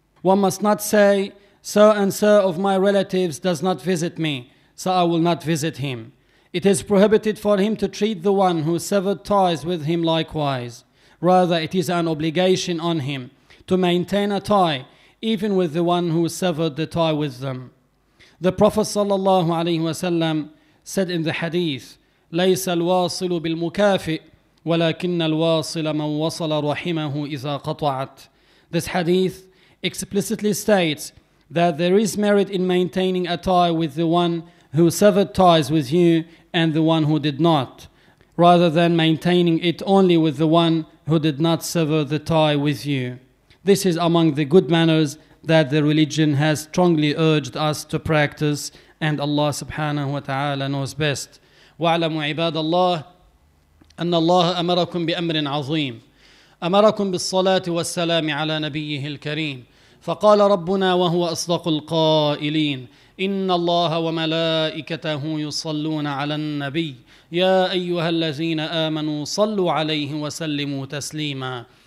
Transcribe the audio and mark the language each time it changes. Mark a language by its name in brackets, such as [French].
[English] One must not say, so and so of my relatives does not visit me, so I will not visit him. It is prohibited for him to treat the one who severed ties with him likewise. Rather, it is an obligation on him to maintain a tie, even with the one who severed the tie with them. The Prophet sallallahu alaihi wasallam said in the hadith, [Arabic] لَيْسَ الْوَاصِلُ بِالْمُكَافِئِ وَلَكِنَّ الْوَاصِلَ مَنْ وَصَلَ رَحِمَهُ إِذَا قَطَعَتْ. [English] This hadith explicitly states that there is merit in maintaining a tie with the one who severed ties with you and the one who did not, rather than maintaining it only with the one who did not sever the tie with you. This is among the good manners that the religion has strongly urged us to practice, and Allah subhanahu wa ta'ala knows best. [Arabic] وَعْلَمُ عِبَادَ اللَّهِ أَنَّ اللَّهَ أَمَرَكُمْ بِأَمْرٍ عَظِيمٍ أَمَرَكُمْ بِالصَّلَاةِ وَالسَّلَامِ عَلَى نَبِيِّهِ الْكَرِيمِ فَقَالَ رَبُّنَا وَهُوَ أَصْدَقُ الْقَائِلِينَ إن الله وملائكته يصلون على النبي يا أيها الذين آمنوا صلوا عليه وسلموا تسليما